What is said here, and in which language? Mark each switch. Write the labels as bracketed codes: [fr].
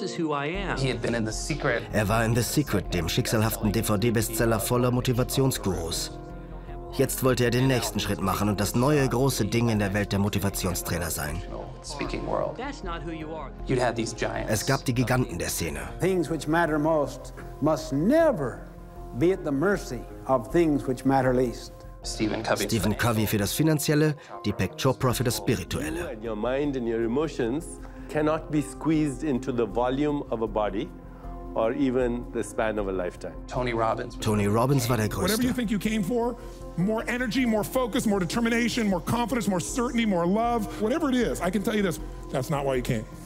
[de] Er war in The Secret, dem schicksalhaften DVD-Bestseller voller Motivationsgurus. Jetzt wollte er den nächsten Schritt machen und das neue große Ding in der Welt der Motivationstrainer sein. Es gab die Giganten der Szene. [en] Things which matter most must never be at the mercy of things which matter least. [de] Stephen Covey für das Finanzielle, Deepak Chopra für das Spirituelle. [en] Your mind and your emotions cannot be squeezed into the volume of a body. Or even the span of a lifetime. [de] Tony Robbins war der Größte. [en] Whatever you think you came for, more energy, more focus, more determination, more confidence, more certainty, more love, whatever it is, I can tell you this, that's not why you came.